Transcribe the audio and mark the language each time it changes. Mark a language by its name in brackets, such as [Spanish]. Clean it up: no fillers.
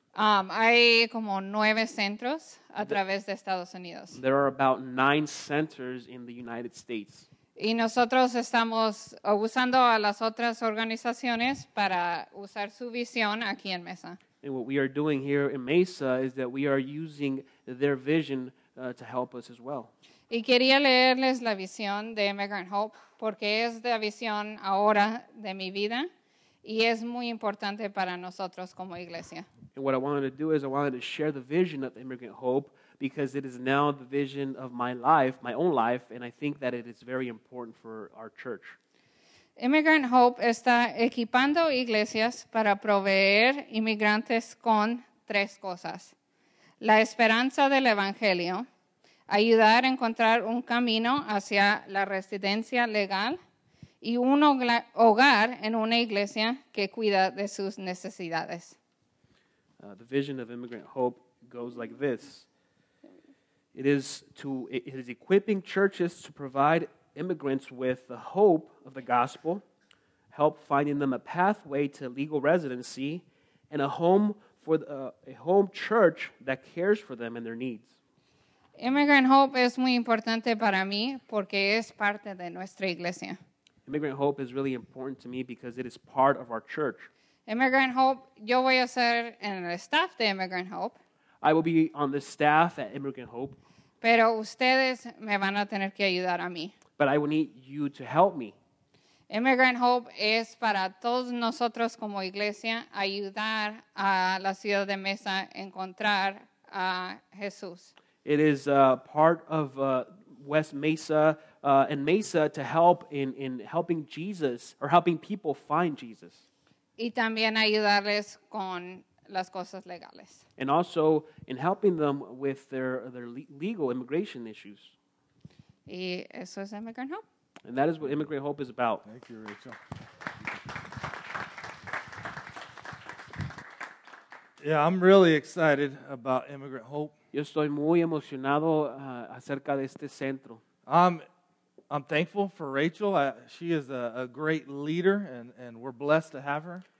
[Spanish] Hay como 9 centros a través de Estados Unidos. [English] There are about 9 centers in the United States. [Spanish] Y nosotros estamos usando a las otras organizaciones para usar su visión aquí en Mesa. [English] And what we are doing here in Mesa is that we are using their vision to help us as well. [Spanish] Y quería leerles la visión de Immigrant Hope porque es la visión ahora de mi vida y es muy importante para nosotros como iglesia. [English] And what I wanted to do is I wanted to share the vision of Immigrant Hope because it is now the vision of my life, my own life, and I think that it is very important for our church. [Spanish] Immigrant Hope está equipando iglesias para proveer inmigrantes con 3 cosas. La esperanza del evangelio, ayudar a encontrar un camino hacia la residencia legal y un hogar en una iglesia que cuida de sus necesidades. [English] The vision of Immigrant Hope goes like this. It is equipping churches to provide immigrants with the hope of the gospel, help finding them a pathway to legal residency, and a home church that cares for them and their needs. [Spanish] Immigrant Hope es muy importante para mí porque es parte de nuestra iglesia. [English] Immigrant Hope is really important to me because it is part of our church. [Spanish] Immigrant Hope, yo voy a ser en el staff de Immigrant Hope. [English] I will be on the staff at Immigrant Hope. [Spanish] Pero ustedes me van a tener que ayudar a mí. [English] But I will need you to help me. [Spanish] Immigrant Hope es para todos nosotros como iglesia ayudar a la ciudad de Mesa encontrar a Jesús. [English] It is part of West Mesa and Mesa to help in helping Jesus or helping people find Jesus. [Spanish] Y también ayudarles con las cosas legales. [English] And also in helping them with their legal immigration issues. [Spanish] Y eso es Immigrant Hope. [English] And that is what Immigrant Hope is about. Thank you, Rachel. Yeah, I'm really excited about Immigrant Hope. [Spanish] Yo estoy muy emocionado acerca de este centro. [English] I'm thankful for Rachel. She is a great leader, and we're blessed to have her.